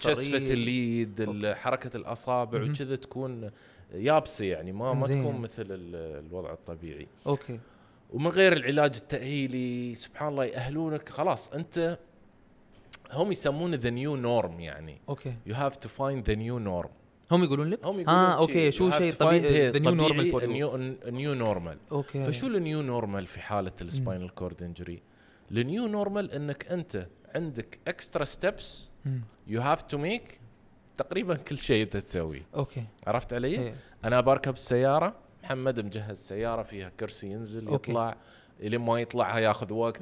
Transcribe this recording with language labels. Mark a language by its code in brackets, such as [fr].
[ar] شسفه الايد، حركه الاصابع وكذا تكون يابسة يعني ما تكون مثل الوضع الطبيعي. أوكي. ومن غير العلاج التأهيلي سبحان الله يأهلونك خلاص أنت، هم يسمونه [en] the new norm [ar] يعني. أوكي. [en] You have to find the new norm. [ar] هم يقولون لك. هم يقولون. أوكي شو شيء طبيعي. [en] The new normal for you. New normal. [ar] أوكي. فشو [en] the new normal [ar] في حالة ال [en] spinal cord injury؟ The new normal [ar] إنك أنت عندك [en] extra steps you have to make. [ar] تقريبا كل شيء انت تسويه. اوكي. عرفت علي؟ انا بركب السياره، محمد مجهز سياره فيها كرسي ينزل يطلع، اللي ما يطلع هياخذ وقت.